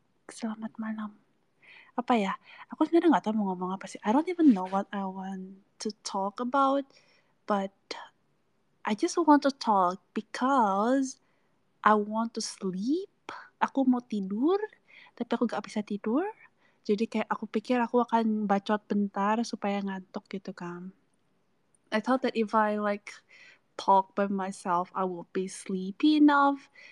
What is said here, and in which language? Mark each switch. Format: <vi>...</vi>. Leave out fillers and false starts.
<id>Selamat malam. Apa ya? Aku sebenarnya nggak tahu mau ngomong apa sih.</id> <en>I don't even know what I want to talk about, but I just want to talk because I want to sleep.</en> <id>Aku mau tidur, tapi aku nggak bisa tidur. Jadi kayak aku pikir aku akan bacot bentar supaya ngantuk gitu kan.</id> <en>I thought that if I like talk by myself, I will be sleepy enough.</en>